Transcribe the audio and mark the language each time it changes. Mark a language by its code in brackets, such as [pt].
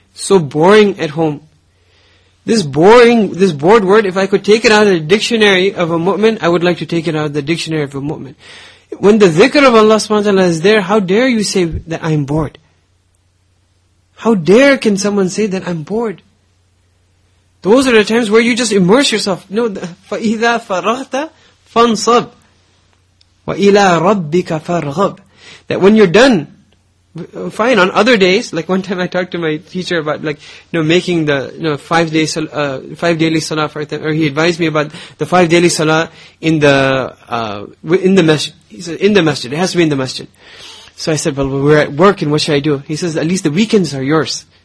[en] So boring at home. This bored word, if I could take it out of the dictionary of a mu'min, I would like to take it out of the dictionary of a mu'min. When the dhikr of Allah subhanahu wa ta'ala is there, how dare you say that I'm bored? How dare can someone say that I'm bored? Those are the times where you just immerse yourself. [ar] No, فَإِذَا فَرَغْتَ فَانْصَبْ وَإِلَىٰ رَبِّكَ فَارْغَبْ. [en] That when you're done, Fine, on other days, like one time I talked to my teacher about like, you know, making the, you know, five daily salah for them, or he advised me about the five daily salah in the masjid. It has to be in the masjid. So I said, well, we're at work and what should I do? He says, at least the weekends are yours.